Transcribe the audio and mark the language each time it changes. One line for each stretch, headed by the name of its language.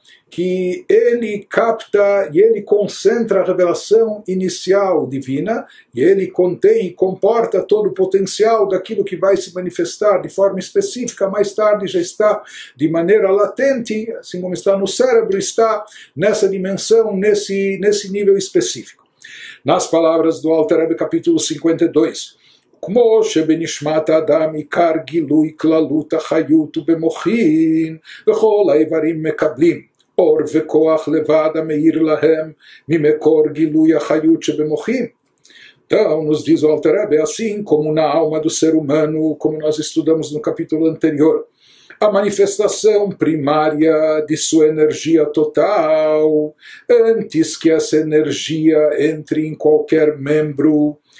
Portuguese: que ele capta e ele concentra a revelação inicial divina, e ele contém e comporta todo o potencial daquilo que vai se manifestar de forma específica, mais tarde já está de maneira latente, assim como está no cérebro, está nessa dimensão, nesse nível específico. Nas palavras do Alter Rebbe, capítulo 52,
Hebrew: כמו שבנשמת האדם עיקר גילוי כללות החיות ובמוחין, וכל האיברים מקבלים אור וכוח לבד המאיר להם ממקור גילוי החיות שבמוחין.
Portuguese: Então, nos diz o Alter Rebbe, assim como na alma do ser humano, como nós estudamos no capítulo anterior, a manifestação primária de sua energia total, antes que essa energia entre em qualquer membro